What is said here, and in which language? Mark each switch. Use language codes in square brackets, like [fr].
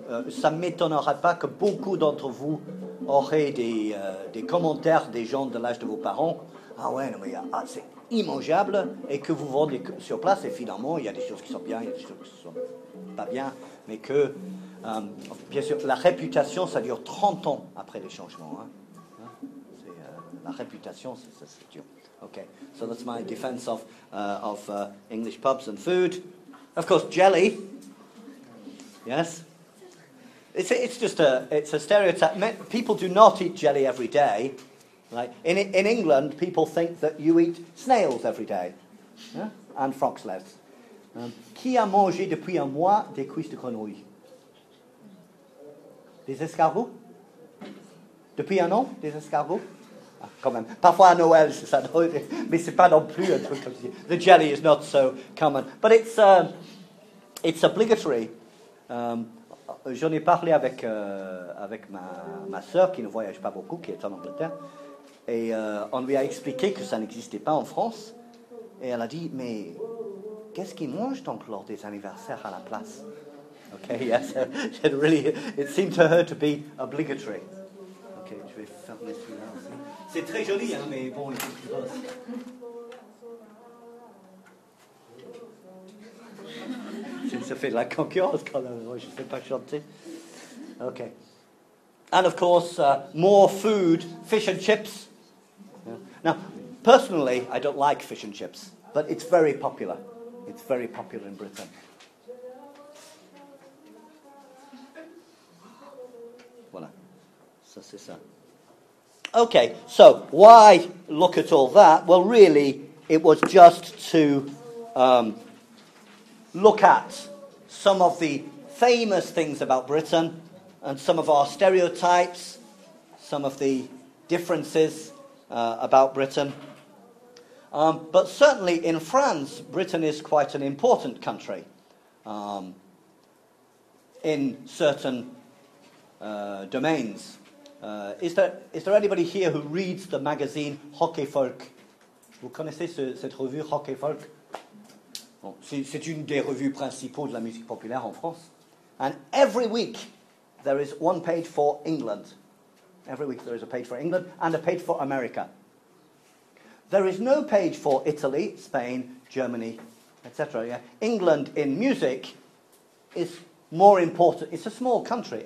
[fr] Ça ne m'étonnerait pas que beaucoup d'entre vous auraient des commentaires des gens de l'âge de vos parents. Ah ouais, non, mais c'est immangeable. Et que vous vendez sur place, et finalement, il y a des choses qui sont bien, il y a des choses qui ne sont pas bien. Mais que, bien sûr, la réputation, ça dure 30 ans après les changements. Hein. C'est, la réputation, c'est dur. [en] OK, so that's my defense of English pubs and food. Of course, jelly. Yes? It's a stereotype. People do not eat jelly every day. Like in England, people think that you eat snails every day. Yeah? And frog's legs. [fr] Qui a mangé depuis un mois des cuisses de grenouille? Des escargots? Depuis un an, des escargots? Ah, quand même. Parfois à Noël, c'est ça. Mais ce n'est pas non plus un truc comme ça. [en] The jelly is not so common. But it's obligatory. [fr] J'en ai parlé avec ma sœur qui ne voyage pas beaucoup, qui est en Angleterre. Et on lui a expliqué que ça n'existait pas en France. Et elle a dit, mais... Qu'est-ce qu'ils mangent donc lors des anniversaires à la place? [en] Okay, yes, it really, it seemed to her to be obligatory. [fr] Okay, je vais fermer celui-là aussi. C'est très joli, hein, mais bon, il faut que je bosse. Ça se fait de la concurrence quand même, je ne sais pas chanter. [en] Okay. And of course, more food, fish and chips. Yeah. Now, personally, I don't like fish and chips, but it's very popular. It's very popular in Britain. [fr] Voilà. Ça, c'est ça. [en] Okay, so why look at all that? Well, really, it was just to look at some of the famous things about Britain and some of our stereotypes, some of the differences about Britain. But certainly in France, Britain is quite an important country in certain domains. Is there anybody here who reads the magazine Hockey Folk? [fr] Vous connaissez cette revue Hockey Folk? Bon, c'est une des revues principales de la musique populaire en France. [en] And every week there is one page for England. Every week there is a page for England and a page for America. There is no page for Italy, Spain, Germany, etc. Yeah? England in music is more important. It's a small country.